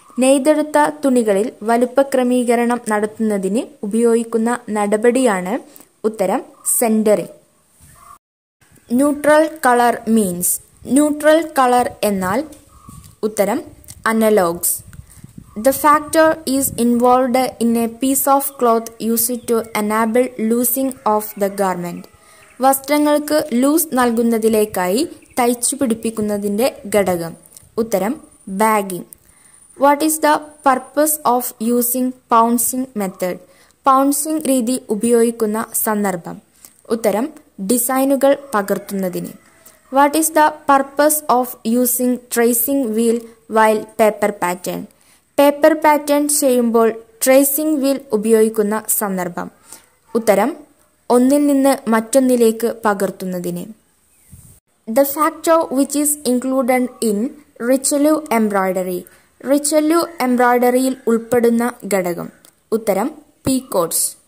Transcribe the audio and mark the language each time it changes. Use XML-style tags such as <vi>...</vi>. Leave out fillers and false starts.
<ml>നെയ്തെടുത്ത തുണികളിൽ വലുപ്പ ക്രമീകരണം നടത്തുന്നതിന് ഉപയോഗിക്കുന്ന നടപടിയാണ്. ഉത്തരം സെൻ്ററിങ്.</ml> <en>neutral colour means,</en> <ml>neutral colour എന്നാൽ ഉത്തരം analogues.</ml> <en>The factor is involved in a piece of cloth used to enable loosing of the garment.</en> <ml>വസ്ത്രങ്ങൾക്ക് ലൂസ് നൽകുന്നതിലേക്കായി തയ്ച്ചു പിടിപ്പിക്കുന്നതിൻ്റെ ഘടകം. ഉത്തരം bagging.</ml> <en>What is the purpose of using pouncing method?</en> <ml>Pouncing രീതി ഉപയോഗിക്കുന്ന സന്ദർഭം. ഉത്തരം ഡിസൈനുകൾ പകർത്തുന്നതിന്.</ml> <en>What is the purpose of using tracing wheel while paper pattern?</en> <ml>Paper pattern ചെയ്യുമ്പോൾ ട്രേസിംഗ് വീൽ ഉപയോഗിക്കുന്ന സന്ദർഭം. ഉത്തരം ഒന്നിൽ നിന്ന് മറ്റൊന്നിലേക്ക് പകർത്തുന്നതിന്.</ml> <en>The factor which is included in Richelieu embroidery.</en> <ml>റിച്ചലു എംബ്രോയിഡറിയിൽ ഉൾപ്പെടുന്ന ഘടകം. ഉത്തരം പീകോട്ട്സ്.</ml>